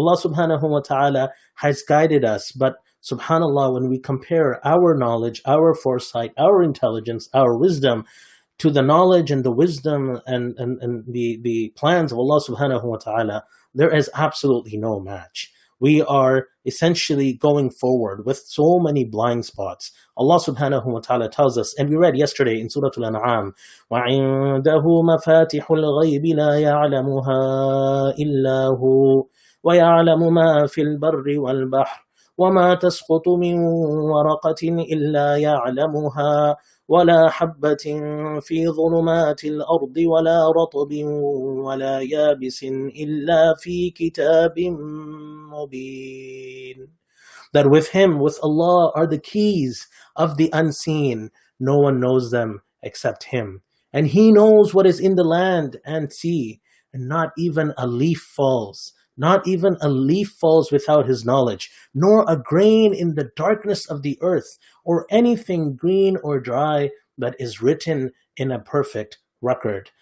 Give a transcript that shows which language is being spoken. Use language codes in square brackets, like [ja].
[en] Allah subhanahu wa ta'ala has guided us. But subhanallah, when we compare our knowledge, our foresight, our intelligence, our wisdom to the knowledge and the wisdom and the plans of Allah subhanahu wa ta'ala, there is absolutely no match. We are essentially going forward with so many blind spots. Allah subhanahu wa ta'ala tells us, and we read yesterday in Surah Al-An'am, [ar] وَعِنْدَهُ مَفَاتِحُ الْغَيْبِ لَا يَعْلَمُهَا إِلَّا هُوَ وَيَعْلَمُ مَا فِي الْبَرِّ وَالْبَحْرِ وَمَا تَسْقُطُ مِنْ وَرَقَةٍ إِلَّا يَعْلَمُهَا وَلَا حَبَّةٍ فِي ظُلُمَاتِ الْأَرْضِ وَلَا رَطْبٍ وَلَا يَابِسٍ إِلَّا فِي كِتَابٍ مُبِينٍ. [en] That with him, with Allah, are the keys of the unseen. No one knows them except him. And he knows what is in the land and sea. And not even a leaf falls. Not even a leaf falls without his knowledge, nor a grain in the darkness of the earth, or anything green or dry that is written in a perfect record.